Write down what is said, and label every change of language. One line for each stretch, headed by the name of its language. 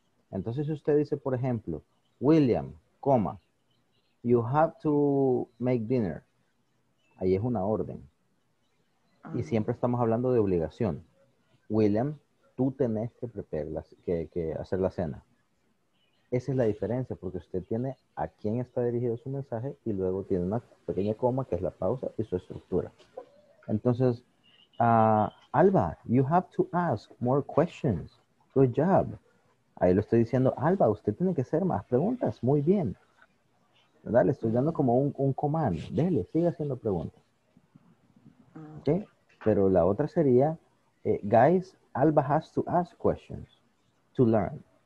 Spanish: Entonces, si usted dice, por ejemplo, William, coma,
English: you have to make dinner.
Spanish: Ahí es una orden. Y siempre estamos hablando de obligación. William, tú tenés que hacer la cena. Esa es la diferencia, porque usted tiene a quién está dirigido su mensaje y luego tiene una pequeña coma, que es la pausa, y su estructura.
English: Entonces, Alba, you have to ask more questions. Good job.
Spanish: Ahí lo estoy diciendo, Alba, usted tiene que hacer más preguntas. Muy bien. Dale, estoy dando como un comando. Dele, sigue haciendo preguntas. ¿Ok? Pero la otra sería,
English: guys, Alba has to ask questions to learn.